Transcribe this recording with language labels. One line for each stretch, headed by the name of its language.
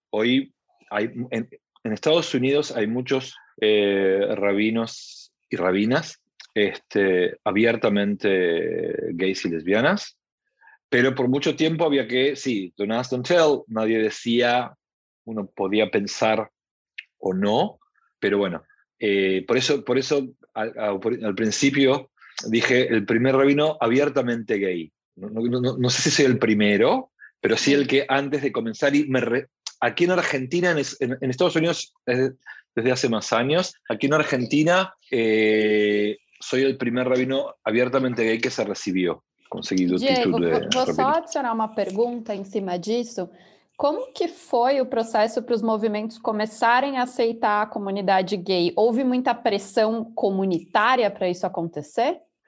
Portuguese: Hoje em Estados Unidos há muitos rabinos e rabinas
Spanish: abiertamente
Portuguese: gays e
Spanish: lesbianas. Pero por mucho tiempo había que, sí,
English: don't ask, don't tell,
Spanish: nadie decía, uno podía pensar o no, pero bueno, por eso al principio dije el primer rabino abiertamente gay. No sé si soy el primero, pero sí el que antes de comenzar, aquí en Argentina, en Estados Unidos desde hace más años, aquí en Argentina soy el primer rabino abiertamente gay que se recibió.
Portuguese: Diego, vou só adicionar uma pergunta em cima disso. Como que foi o processo para os movimentos começarem a aceitar a comunidade gay? Houve muita pressão comunitária para isso acontecer?